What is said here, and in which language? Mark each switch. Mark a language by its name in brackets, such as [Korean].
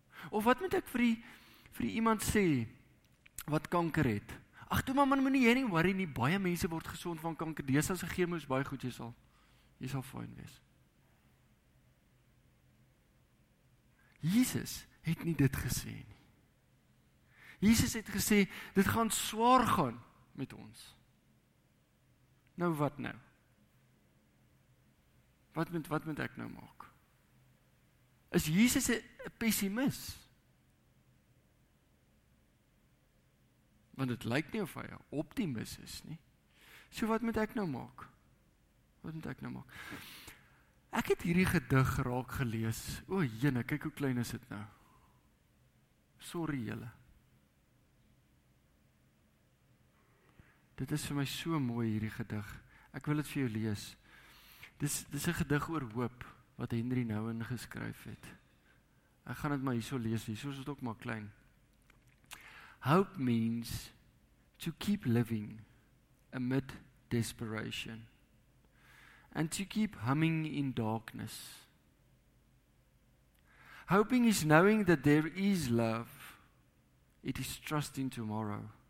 [Afrikaans] Of wat moet ek vir die iemand sê, wat kanker het? Ach, toe maar, man, moet nie worry nie, baie mense word gesond van kanker, die is as een chemo is baie goed, jy sal fijn wees. Jesus het nie dit gesê nie. Jesus het gesê, dit gaan swaar gaan met ons. Nou wat nou? Wat moet ek nou maak? Is Jesus 'n pessimis? Want het lyk nie of hy 'n optimis is nie. So wat moet ek nou maak? Wat moet ek nou maak? Ek het hierdie gedig raak gelees. O, jene, kyk hoe klein is dit nou. Sorry julle. Dit is vir my so mooi hierdie gedig. Ek wil dit vir jou lees. Dis 'n gedig oor hoop wat Henry Nouwen geskryf het. Ek gaan dit maar hierso lees, hierso is dit ook maar klein. [English] Hope means to keep living amid desperation and to keep humming in darkness. Hoping is knowing that there is love. It is trusting tomorrow.